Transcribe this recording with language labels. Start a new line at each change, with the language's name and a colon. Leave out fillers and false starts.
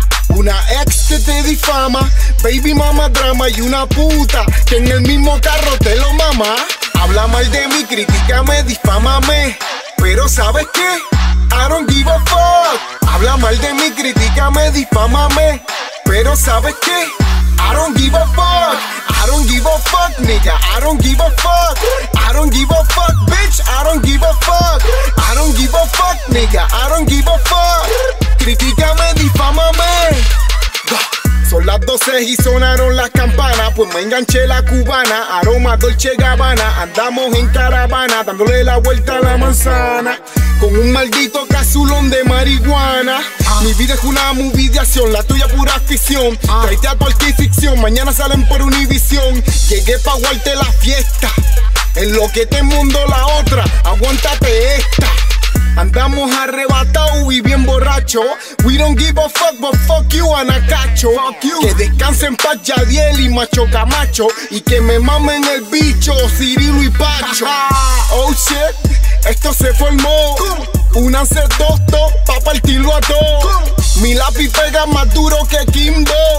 Spanish: Una ex que te difama,
English: baby mama drama
Spanish: y una puta que en el mismo carro te lo mama. Habla mal de mí, critícame, difámame, pero ¿sabes qué?
English: I don't give a fuck.
Spanish: Habla mal de mí, critícame, difámame, pero ¿sabes qué?
English: I don't give a fuck, I don't give a fuck, nigga, I don't give a fuck, I don't give a fuck, bitch, I don't give a fuck, I don't give a fuck, nigga, I don't give a fuck,
Spanish: critícame, difámame. Son las 12 y sonaron las campanas, pues me enganché la cubana, aroma Dolce Gabbana, andamos en caravana, dándole la vuelta a la manzana. Con un maldito cazulón de marihuana. Mi vida es una movie de acción, la tuya pura ficción. Traete a cualquier ficción, mañana salen por Univision. Llegué pa' guarte la fiesta. En lo que te mundo la otra, aguántate esta. Andamos arrebatados y bien borracho.
English: We don't give a fuck, but fuck you, Anacacho. Fuck you.
Spanish: Que descansen pa' Yadiel y Macho Camacho. Y que me mamen el bicho, Cirilo y Pacho.
English: Oh shit.
Spanish: Esto se formó. Únanse dos, dos, pa' partirlo a dos. Mi lápiz pega más duro que Kimbo.